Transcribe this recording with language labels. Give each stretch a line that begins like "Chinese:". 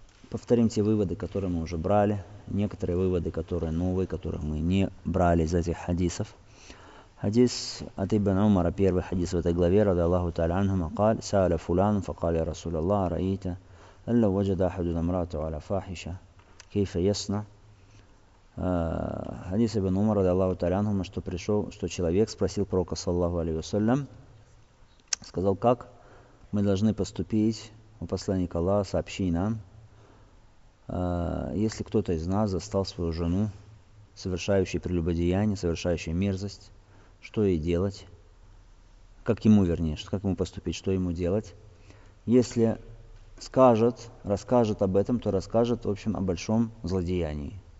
Russian: Повторим те выводы, которые мы уже брали, некоторые выводы, которые новые, которые мы не брали из этих хадисов. Хадис от Ибн Умара, первый хадис в этой главе,
Arabic: ради Аллаху тааля анхума, قال: سأل فلان فقال يا رسول الله رأيت ألا وجد أحد امرأته على فاحشة كيف يصنع.
Russian: Хадис ибн Умара, ради Аллаху тааля анхума, что человек спросил пророка, саллаллаху алейхи ва саллям, сказал: как мы должны поступить, у посланника Аллаха, сообщи нам, если кто-то из нас застал свою жену, совершающей прелюбодеяние, совершающей мерзость, что ей делать, как ему поступить, если скажет, расскажет об этом, то расскажет, в общем, о большом злодеянии.